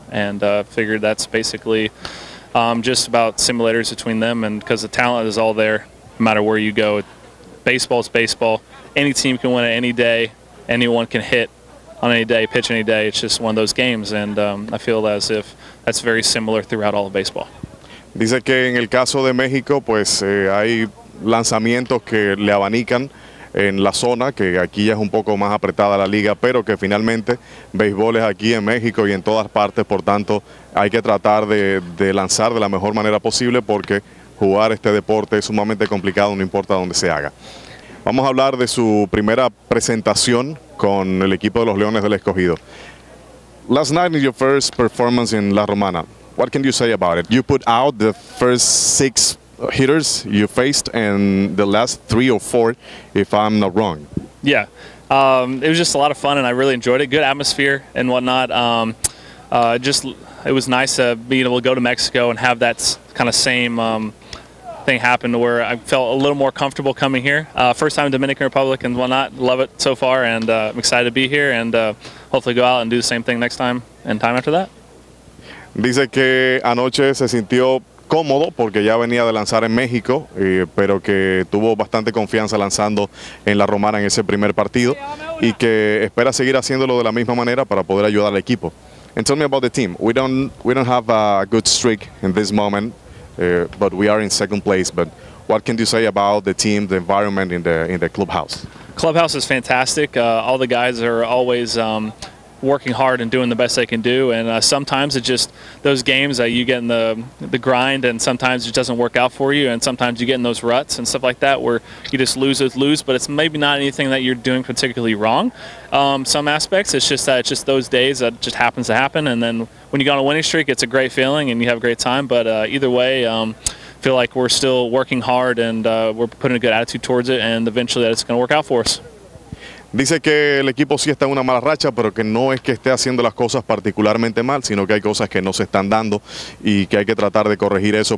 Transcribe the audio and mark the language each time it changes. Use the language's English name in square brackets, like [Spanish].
[English] And figured that's basically just about simulators between them, and because the talent is all there, no matter where you go. Baseball is baseball. Any team can win it any day. Anyone can hit on any day, pitch any day. It's just one of those games, and I feel as if that's very similar throughout all of baseball. [Spanish] Dice que en el caso de México, pues hay lanzamientos que le abanican en la zona, que aquí ya es un poco más apretada la liga, pero que finalmente béisbol es aquí en México y en todas partes, por tanto hay que tratar de lanzar de la mejor manera posible, porque jugar este deporte es sumamente complicado, no importa dónde se haga. Vamos a hablar de su primera presentación con el equipo de los Leones del Escogido. [English] Last night in your first performance in La Romana, what can you say about it? You put out the first six hitters you faced and the last three or four, if I'm not wrong. Yeah, it was just a lot of fun and I really enjoyed it. Good atmosphere and whatnot. It was nice to be able to go to Mexico and have that kind of same thing happen, to where I felt a little more comfortable coming here. First time in Dominican Republic and whatnot. Love it so far, and I'm excited to be here and hopefully go out and do the same thing next time and time after that. [Spanish] Dice que anoche se sintió cómodo porque ya venía de lanzar en México, pero que tuvo bastante confianza lanzando en La Romana en ese primer partido y que espera seguir haciéndolo de la misma manera para poder ayudar al equipo. [English] And tell me about the team. We don't have a good streak in this moment, but we are in second place. But what can you say about the team, the environment in the clubhouse? Clubhouse is fantastic. All the guys are always working hard and doing the best they can do, and sometimes it's just those games that you get in the grind, and sometimes it doesn't work out for you, and sometimes you get in those ruts and stuff like that where you just lose, but it's maybe not anything that you're doing particularly wrong. Some aspects, it's just that it's just those days that just happens to happen, and then when you go on a winning streak, it's a great feeling and you have a great time, but either way, feel like we're still working hard and we're putting a good attitude towards it, and eventually that it's going to work out for us. [Spanish] Dice que el equipo sí está en una mala racha, pero que no es que esté haciendo las cosas particularmente mal, sino que hay cosas que no se están dando y que hay que tratar de corregir eso.